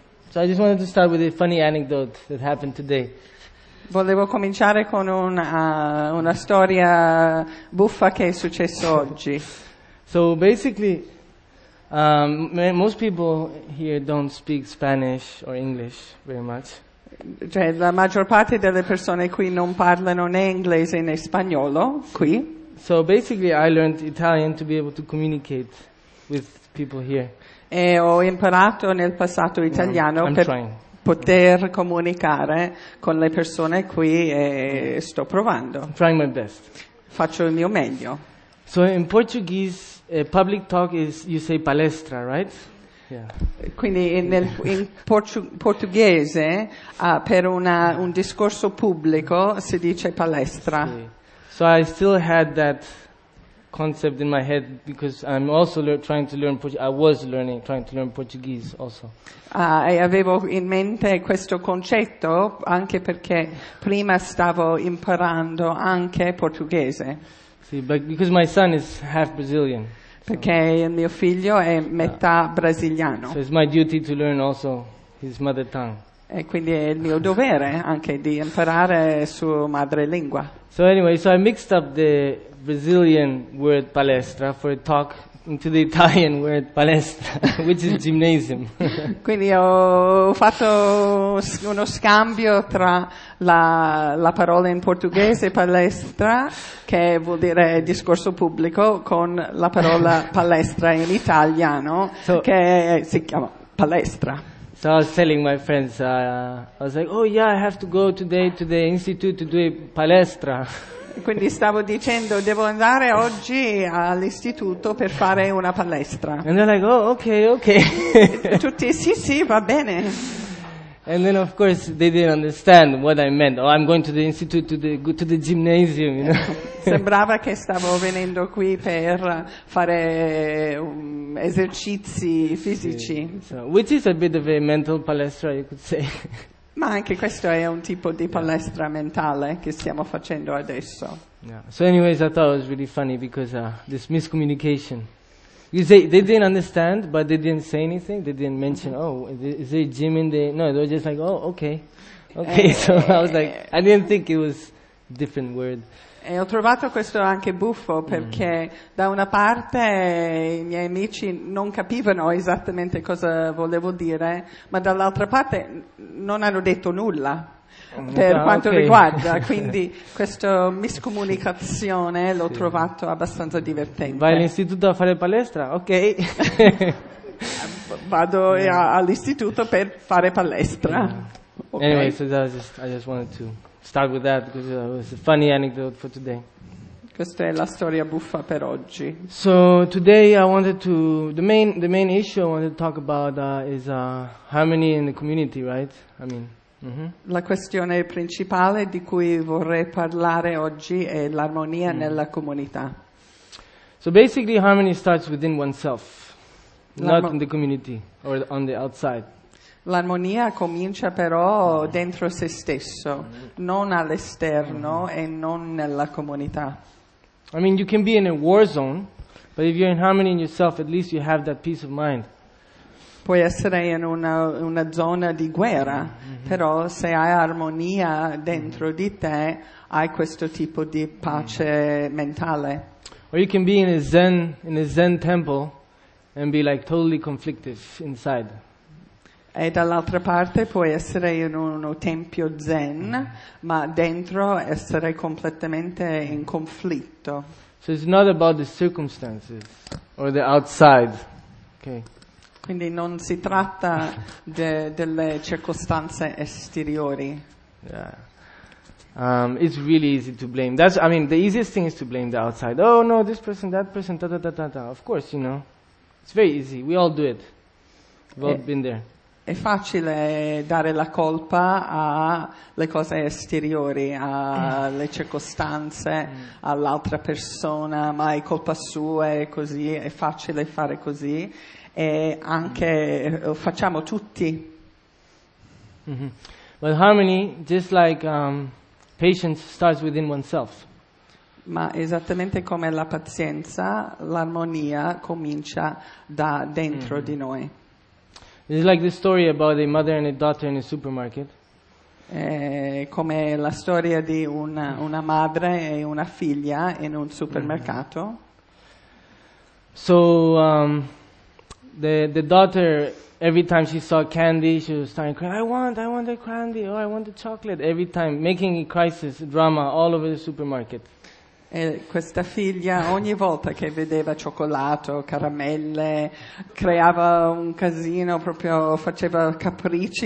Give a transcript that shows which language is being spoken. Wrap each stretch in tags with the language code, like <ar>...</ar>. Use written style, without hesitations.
<en>So I just wanted to start with a funny anecdote that happened today.</en> <it>Volevo cominciare con una storia buffa che è successo oggi.</it> <en>So basically, most people here don't speak Spanish or English very much.</en> <it>Cioè, la maggior parte delle persone qui non parlano né inglese né spagnolo qui.</it> <en>So basically, I learned Italian to be able to communicate with people here.</en> <it>E ho imparato nel passato italiano poter comunicare con le persone qui e sto provando.</it> <en>I'm trying my best.</en> <it>Faccio il mio meglio.</it> <en>So in Portuguese, a public talk is you say palestra, right? Yeah.</en> <it>Quindi in portoghese per un discorso pubblico si dice palestra.</it> <en>So I still had that concept in my head because I'm also trying to learn Portuguese also.</en> <it>E avevo in mente questo concetto anche perché prima stavo imparando anche portoghese.</it> <en>See, but because my son is half Brazilian.</en> <it>Perché il mio figlio è metà brasiliano.</it> <en>So it's my duty to learn also his mother tongue.</en> <it>E quindi è il mio dovere anche di imparare sua madrelingua.</it> <en>So anyway, so I mixed up the Brazilian word palestra for a talk into the Italian word palestra, which is gymnasium.</en> <it>Quindi ho fatto uno scambio tra la parola in portoghese palestra, che vuol dire discorso pubblico, con la parola palestra in italiano, so, che si chiama palestra.</it> <en>So I was telling my friends, I was like, oh yeah, I have to go today to the institute to do a palestra.</en> <it>Quindi stavo dicendo, devo andare oggi all'istituto per fare una palestra.</it> <en>And they're like, oh, okay, okay.</en> <it>Tutti, sì, sì, va bene.</it> <en>And then, of course, they didn't understand what I meant. Oh, I'm going to the institute, to the gymnasium, you know.</en> <it>Sembrava che stavo venendo qui per fare esercizi fisici.</it> <en>So, which is a bit of a mental palestra, you could say.</en> <it>Ma anche questo è un tipo di palestra mentale che stiamo facendo adesso.</it> <en>Yeah. So anyways, I thought it was really funny because this miscommunication. You say they didn't understand, but they didn't say anything. They didn't mention, oh, is there a gym in there? No, they were just like, oh, okay. Okay, so I was like, I didn't think it was a different word.</en> <it>E ho trovato questo anche buffo perché da una parte i miei amici non capivano esattamente cosa volevo dire, ma dall'altra parte non hanno detto nulla per quanto riguarda. Quindi questa miscomunicazione l'ho trovato abbastanza divertente. Vai all'istituto a fare palestra? Ok. Vado all'istituto per fare palestra.</it> <en>Okay. Anyway, so that was I just wanted to start with that because it was a funny anecdote for today.</en> <it>Questa è la storia buffa per oggi.</it> <en>So today I wanted to the main issue I wanted to talk about is harmony in the community, right? I mean.</en> <it>La questione principale di cui vorrei parlare oggi è l'armonia nella comunità.</it> <en>So basically, harmony starts within oneself, not in the community or on the outside.</en> <it>L'armonia comincia però dentro se stesso, non all'esterno e non nella comunità.</it> <en>I mean, you can be in a war zone, but if you're in harmony in yourself, at least you have that peace of mind.</en> <it>Puoi essere in una zona di guerra, però se hai armonia dentro di te, hai questo tipo di pace mentale.</it> <en>Or you can be in a zen temple, and be like totally conflicted inside.</en> <it>E dall'altra parte puoi essere in uno tempio zen, ma dentro essere completamente in conflitto.</it> <en>So it's not about the circumstances or the outside. Okay.</en> <it>Quindi non si tratta delle circostanze esteriori.</it> <en>Yeah. It's really easy to blame. The easiest thing is to blame the outside. Oh no, this person, that person, ta ta ta ta ta. Of course, you know. It's very easy. We all do it. We've all been there.</en> <it>È facile dare la colpa alle cose esteriori, alle circostanze, all'altra persona, ma è colpa sua, è così, è facile fare così. E anche lo facciamo tutti.</it> <en>But harmony, just like patience, starts within oneself.</en> <it>Ma esattamente come la pazienza, l'armonia comincia da dentro di noi.</it> <en>It's like the story about a mother and a daughter in a supermarket.</en> <it>Come la storia di una madre e una figlia in un supermercato.</it> <en>So the daughter, every time she saw candy, she was starting to cry, I want the candy, or I want the chocolate, every time, making a crisis drama all over the supermarket.</en> <it>E questa figlia ogni volta che vedeva cioccolato, caramelle, creava un casino, proprio faceva capricci.</it>